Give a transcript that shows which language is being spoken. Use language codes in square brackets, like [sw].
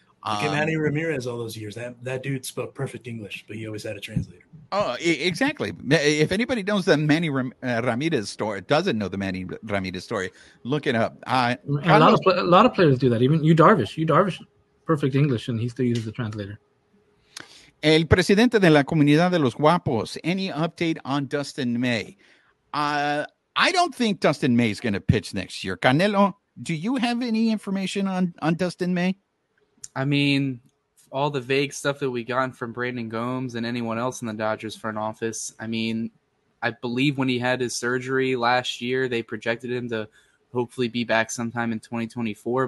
[en] Look at Manny Ramirez all those years. That dude spoke perfect English, but he always had a translator. Oh, exactly. If anybody knows the Manny Ramirez story, doesn't know the Manny Ramirez story, look it up. A lot of players do that. Even Yu Darvish, perfect English, and he still uses the translator. [es] El presidente de la comunidad de los guapos. [en] Any update on Dustin May? I don't think Dustin May is going to pitch next year. Canelo, do you have any information on Dustin May? I mean, all the vague stuff that we got from Brandon Gomes and anyone else in the Dodgers front office. I mean, I believe when he had his surgery last year, they projected him to hopefully be back sometime in 2024.